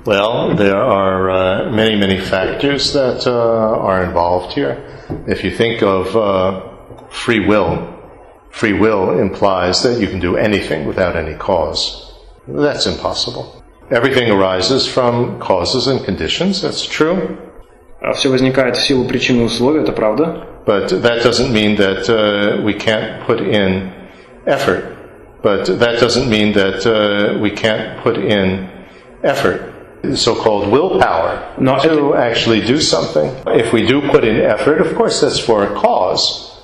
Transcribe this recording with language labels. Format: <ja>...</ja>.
<en>Well, there are many, many factors that are involved here. If you think of free will implies that you can do anything without any cause. That's impossible. Everything arises from causes and conditions, that's true.</en> <ru>Все возникает в силу причин и условий, это правда.</ru> <en>But that doesn't mean that we can't put in effort. But that doesn't mean that we can't put in effort. So-called willpower actually do something. If we do put in effort, of course, that's for a cause.</en>